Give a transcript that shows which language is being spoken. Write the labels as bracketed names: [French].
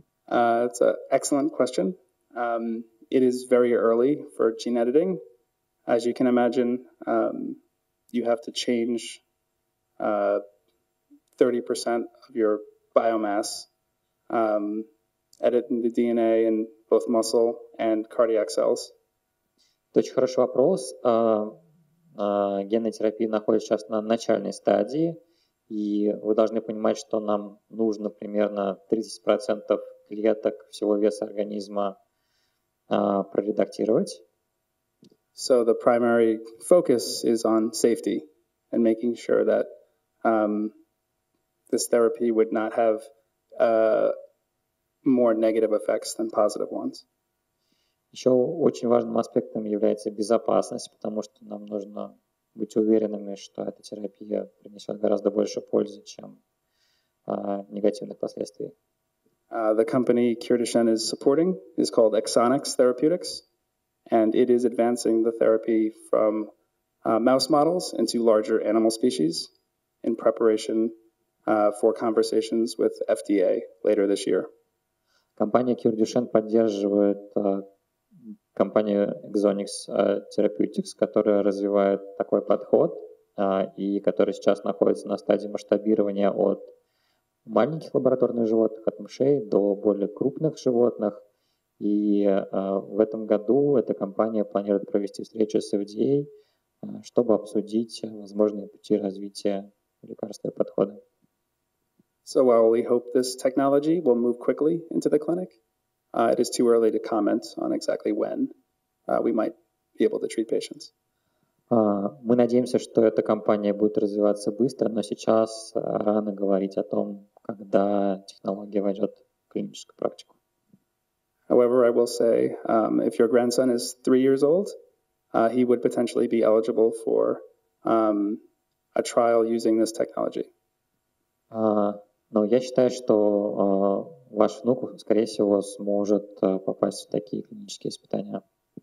[English] It's an excellent question. It is very early for gene editing. As you can imagine, you have to change 30% of your biomass, edit the DNA in both muscle and cardiac cells. [Russian] Это очень хороший вопрос. Генная терапия находится сейчас на начальной стадии, и вы должны понимать, что нам нужно примерно 30% клеток всего веса организма проредактировать. [English] So the primary focus is on safety and making sure that this therapy would not have more negative effects than positive ones. [Russian] Еще очень важным аспектом является безопасность, потому что нам нужно быть уверенными, что эта терапия принесет гораздо больше пользы, чем негативных последствий. [English] The company Cure Duchenne is supporting is called Exonix Therapeutics. And it is advancing the therapy from mouse models into larger animal species in preparation for conversations with FDA later this year. [Russian] Компания Cure Duchenne поддерживает компанию Exonix Therapeutics, которая развивает такой подход и который сейчас находится на стадии масштабирования от маленьких лабораторных животных, от мышей, до более крупных животных. И в этом году эта компания планирует провести встречу с FDA, чтобы обсудить возможные пути развития лекарства и подхода. [English] So while we hope this technology will move quickly into the clinic, it is too early to comment on exactly when we might be able to treat patients. [Russian] Мы надеемся, что эта компания будет развиваться быстро, но сейчас рано говорить о том, когда технология войдет в клиническую практику. [English] However, I will say, if your grandson is 3 years old, he would potentially be eligible for a trial using this technology. [Russian] Но я считаю, что ваш внук, скорее всего, сможет попасть в такие клинические испытания.